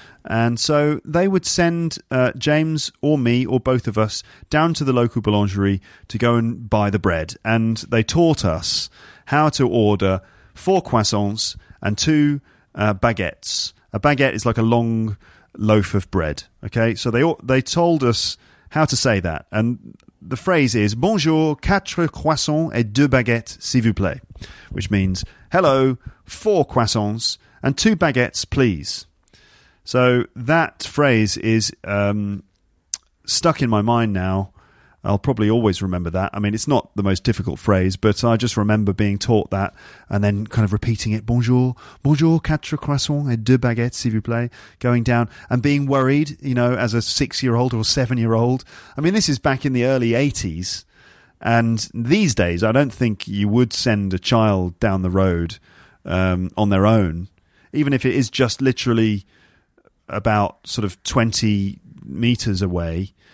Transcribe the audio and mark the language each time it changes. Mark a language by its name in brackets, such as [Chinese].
[English] And so they would send James or me or both of us down to the local boulangerie to go and buy the bread. And they taught us how to order 4 croissants and 2 baguettes. A baguette is like a long loaf of bread. Okay, so they told us how to say that. And the phrase is, [French] bonjour, 4 croissants et 2 baguettes, s'il vous plaît. [English] Which means, hello, 4 croissants and 2 baguettes, please. So that phrase is stuck in my mind now. I'll probably always remember that. I mean, it's not the most difficult phrase, but I just remember being taught that and then kind of repeating it. [French] Bonjour, bonjour, 4 croissants et 2 baguettes, s'il vous plaît. [English] Going down and being worried, you know, as a 6-year-old or 7-year-old. I mean, this is back in the early 80s. And these days, I don't think you would send a child down the road on their own, even if it is just literally about sort of 20 meters away.